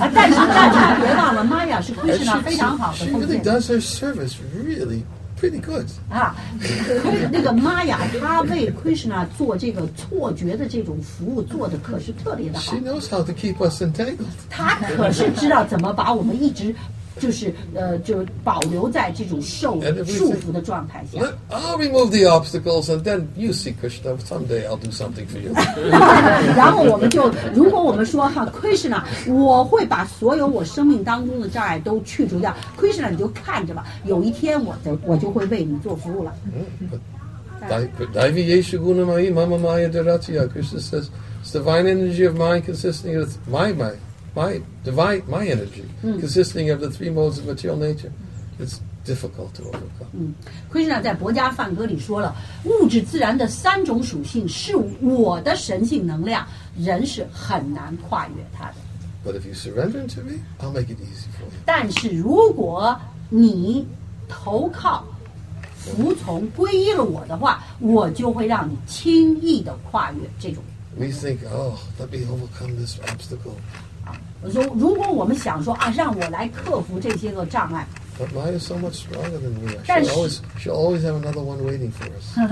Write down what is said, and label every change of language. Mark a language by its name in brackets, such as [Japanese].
[Chinese] 但是大家别忘了，Maya是Krishna非常好的奉献。 [English] She really does her service really pretty good. [Chinese] 那个玛雅她为 Krishna 做这个错觉的这种服务做的可是特别的好。 [English] She knows how to keep us entangled. [Chinese] 她可是知道怎么把我们一直就是保留在这种束缚的状态下。 [English] I'll remove the obstacles and then you see Krishna, someday I'll do something for you. [Chinese] 然后我们就如果我们说哈 Krishna, 我会把所有我生命当中的障碍都去除掉。 Krishna, 你就看着吧，有一天我就会为你做服务了。 [English] Krishna says it's divine energy of mind consisting of my mind. My divine, my energy, consisting of the three modes of material nature, it's difficult to overcome. [Chinese] Krishna 在《薄伽梵歌》里说了，物质自然的三种属性是我的神性能量，人是很难跨越它的。 [English] But if you surrender to me, I'll make it easy for you. [Chinese] 但是如果你投靠、服从、皈依了我的话，我就会让你轻易的跨越这种。 [English] We think, oh, let me overcome this obstacle. [Chinese] 如果我们想说啊，让我来克服这些个障碍。 [English] But Maya is so much stronger than we are. She'll always have another one waiting for us.